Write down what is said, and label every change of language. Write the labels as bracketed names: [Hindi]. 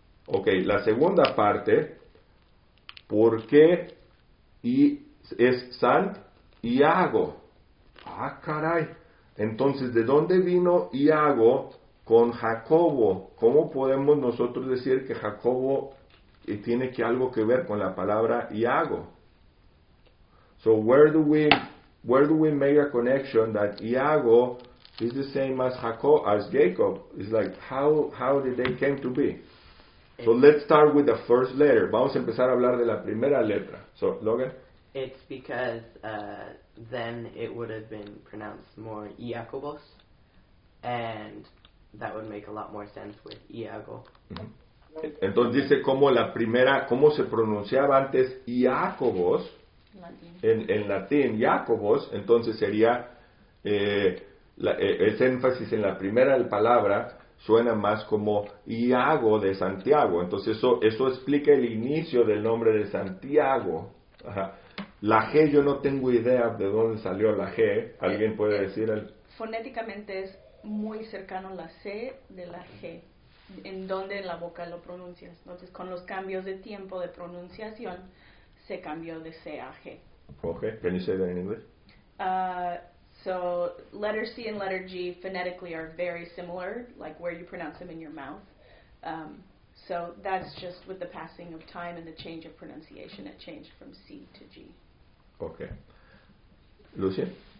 [Spanish] Ok, la segunda parte, ¿por qué es Saint Iago? Ah, caray. Entonces, ¿de dónde vino Iago con Jacobo? ¿Cómo podemos nosotros decir que Jacobo tiene que algo que ver con la palabra Iago? [English] So, where do we make a connection that Iago is the same as Jacob, as Jacob? It's like, how did they came to be? So, let's start with the first letter. [Spanish] Vamos a empezar a hablar de la primera letra. [English] So, Logan? It's because then it would have been pronounced more Iacobos, and that would make a lot more sense with Iago. [Spanish] Entonces dice cómo se pronunciaba antes Iacobos en latín, Iacobos. Entonces sería ese énfasis en la primera palabra suena más como Iago de Santiago. Entonces eso explica el inicio del nombre de Santiago. Ajá. La G, yo no tengo idea de dónde salió la G. ¿Alguien puede decir? Fonéticamente es muy cercano la C de la G, en donde la boca lo pronuncias. Entonces, con los cambios de tiempo de pronunciación, se cambió de C a G. [English] Okay, can you say that in English? So, letter C and letter G phonetically are very similar, like where you pronounce them in your mouth. So, that's just with the passing of time and the change of pronunciation, it changed from C to G. Okay. Lucien?